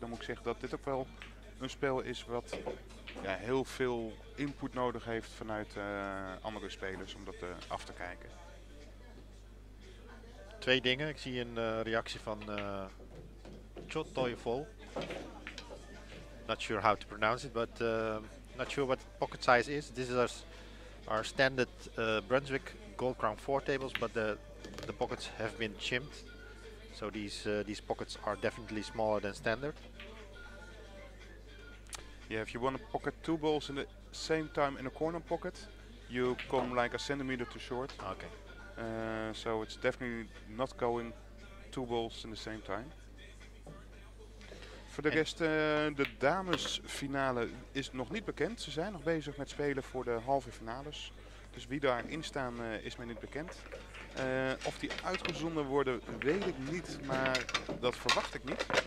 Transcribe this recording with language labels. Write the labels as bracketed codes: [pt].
[nl] Dan moet ik zeggen dat dit ook wel een spel is wat heel veel input nodig heeft vanuit andere spelers. Om dat af te kijken. Twee dingen. Ik zie een reactie van Chot Toyevol. [en] Not sure how to pronounce it, but not sure what pocket size is. This is our standard Brunswick Gold Crown 4 tables, but the pockets have been chimped. So these pockets are definitely smaller than standard. Yeah, if you want to pocket two balls in the same time in a corner pocket, you come like a centimeter too short. Okay. So it's definitely not going two balls in the same time. [nl] Voor de rest, de damesfinale is nog niet bekend. Ze zijn nog bezig met spelen voor de halve finales. Dus wie daarin staan is mij niet bekend. Of die uitgezonden worden, weet ik niet. Maar dat verwacht ik niet.